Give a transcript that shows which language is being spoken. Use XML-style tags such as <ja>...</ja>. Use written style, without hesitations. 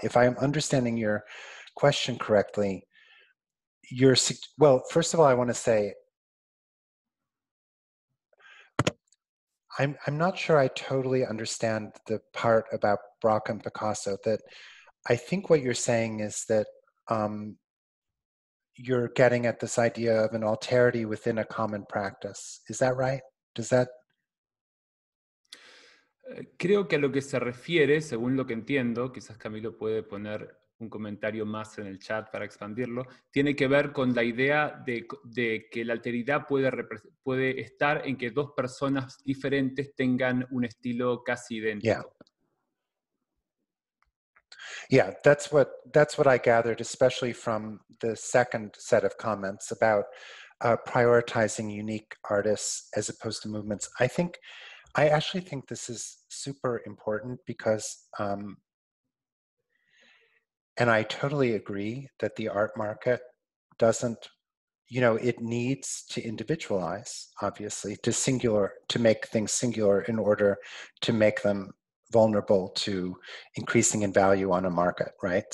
<en>If I am understanding your question correctly, first of all, I want to say, I'm not sure I totally understand the part about Braque and Picasso, that I think what you're saying is that you're getting at this idea of an alterity within a common practice. Is that right? Does that?</en> <es>Creo que a lo que se refiere, según lo que entiendo, quizás Camilo puede poner un comentario más en el chat para expandirlo, tiene que ver con la idea de que la alteridad puede estar en que dos personas diferentes tengan un estilo casi idéntico.</es> <en>Yeah. Yeah, that's what I gathered, especially from the second set of comments about prioritizing unique artists as opposed to movements. I actually think this is super important because, and I totally agree that the art market doesn't, you know, it needs to individualize, obviously, to singular, to make things singular in order to make them vulnerable to increasing in value on a market, right?</en>